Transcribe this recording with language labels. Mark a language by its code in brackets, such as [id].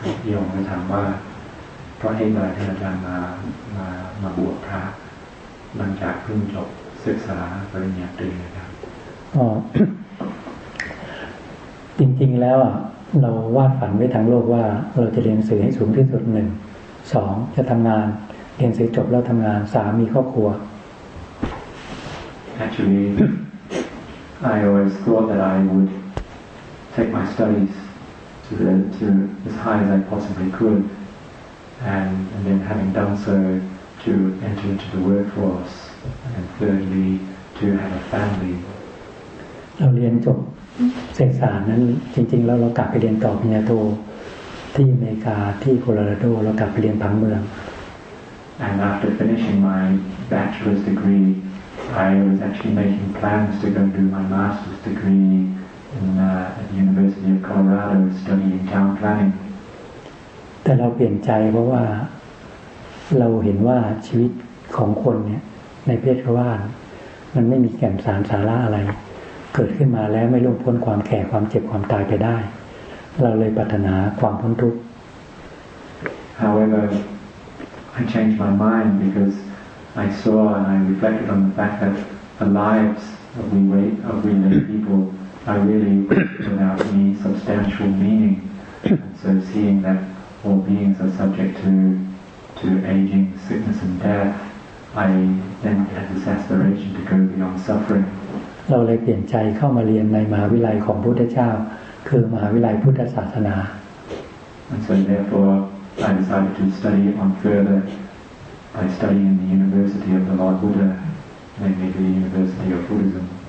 [th] ยงก็ถามว่าเพราะเหตุอะไรที่อาจารย์มาบวชพระหลังจากเพิ่งจบศึกษาปริญญาตรีนะครับ อ๋อจริงๆแล้วเราวาดฝันไว้ทั้งโลกว่าเราจะเรียนหนังสือให้สูงที่สุด1 2จะทำงานเรียนหนังสือจบแล้วทำงาน3มีครอบครัว [en] Actually I always thought that I would take my studies to as high as I possibly couldAnd then having done so, to enter into the workforce, and thirdly, to have a family. [th] เราเรียนจบเศรษฐศาสตร์นั้นจริงๆแล้วเรากลับไปเรียนต่อปริญญาโทที่อเมริกาที่โคโลราโดเรากลับไปเรียนผังเมือง [en] And after finishing my bachelor's degree, I was actually making plans to go do my master's degree at the University of Colorado, studying town planning. [th] แต่เราเปลี่ยนใจเพราะว่าเราเห็นว่าชีวิตของคนเนี่ยในเพศว่านมันไม่มีแก่นสารสาระอะไรเกิดขึ้นมาแล้วไม่ล่วงพ้นความแก่ความเจ็บความตายไปได้เราเลยปรารถนาความพ้นทุกข์ [en] However I changed my mind because I saw and I reflected on the fact that the lives of we lay people are really without any substantial meaning so seeing thatAll beings are subject to aging, sickness, and death. I then had this aspiration to go beyond suffering. [th] เราเลยเปลี่ยนใจเข้ามาเรียนในมหาวิทยาลัยของพุทธเจ้าคือมหาวิทยาลัยพุทธศาสนา [en] And so therefore, I decided to study on further by studying in the University of the Lord Buddha, namely the University of Buddhism.